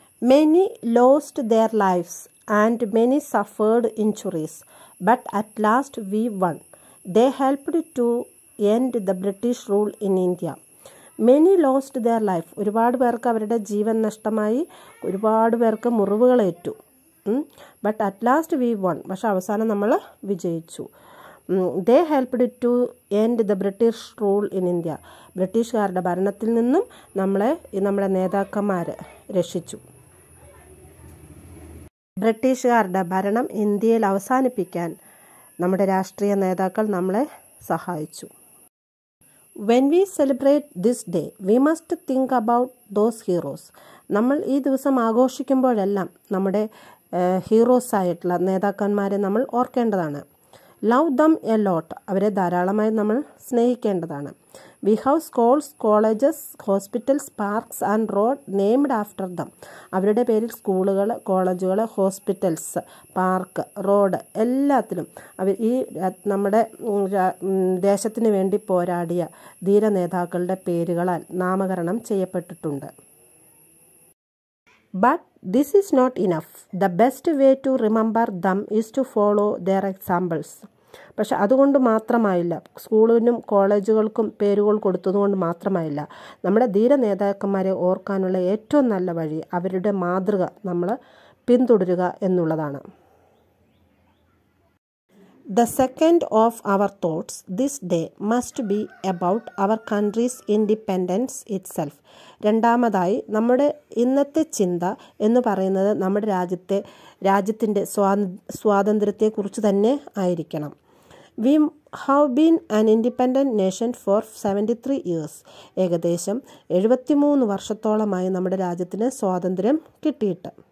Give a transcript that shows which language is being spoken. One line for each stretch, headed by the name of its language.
English: Many lost their lifes and many suffered injuries but at last we won. They helped to end the British rule in India. Many lost their life,
Malayalam: ഒരുപാട് പേർക്ക് അവരുടെ ജീവൻ നഷ്ടമായി, ഒരുപാട് പേർക്ക് മുറിവുകളേറ്റു.
English: but at last we won,
Malayalam: പക്ഷെ അവസാനം നമ്മൾ വിജയിച്ചു.
English: They helped to end the British rule in India.
Malayalam: ബ്രിട്ടീഷുകാരുടെ ഭരണത്തിൽ നിന്നും നമ്മുടെ നേതാക്കന്മാർ രക്ഷിച്ചു. ബ്രിട്ടീഷുകാരുടെ ഭരണം ഇന്ത്യയിൽ അവസാനിപ്പിക്കാൻ നമ്മുടെ രാഷ്ട്രീയ നേതാക്കൾ നമ്മളെ സഹായിച്ചു.
English: When we celebrate this day, we must think about those heroes.
Malayalam: നമ്മൾ ഈ ദിവസം ആഘോഷിക്കുമ്പോഴെല്ലാം നമ്മുടെ ഹീറോസ് ആയിട്ടുള്ള നേതാക്കന്മാരെ നമ്മൾ ഓർക്കേണ്ടതാണ്.
English: love them a lot,
Malayalam: അവരെ ധാരാളമായി നമ്മൾ സ്നേഹിക്കേണ്ടതാണ്.
English: We have schools, colleges, hospitals, parks and road named after them.
Malayalam: അവരുടെ പേരിൽ സ്കൂളുകൾ, കോളേജുകൾ, ഹോസ്പിറ്റൽസ്, പാർക്ക്, റോഡ് എല്ലാത്തിലും അവർ ഈ നമ്മുടെ ദേശത്തിന് വേണ്ടി പോരാടിയ ധീര നേതാക്കളുടെ പേരുകളാൽ നാമകരണം ചെയ്യപ്പെട്ടിട്ടുണ്ട്.
English: But This is not enough. The best way to remember them is to follow their examples.
Malayalam: പക്ഷെ അതുകൊണ്ട് മാത്രമായില്ല, സ്കൂളിനും കോളേജുകൾക്കും പേരുകൾ കൊടുത്തതുകൊണ്ട് മാത്രമായില്ല, നമ്മുടെ ധീര നേതാക്കന്മാരെ ഓർക്കാനുള്ള ഏറ്റവും നല്ല വഴി അവരുടെ മാതൃക നമ്മൾ പിന്തുടരുക എന്നുള്ളതാണ്.
English: The second of our thoughts this day must be about our country's independence itself.
Malayalam: രണ്ടാമതായി നമ്മുടെ ഇന്നത്തെ ചിന്ത എന്ന് പറയുന്നത് നമ്മുടെ രാജ്യത്തിൻ്റെ സ്വാതന്ത്ര്യത്തെക്കുറിച്ച് തന്നെ ആയിരിക്കണം.
English: We have been an independent nation for 73 years.
Malayalam: ഏകദേശം 73 വർഷത്തോളമായി നമ്മുടെ രാജ്യത്തിന് സ്വാതന്ത്ര്യം കിട്ടിയിട്ട്.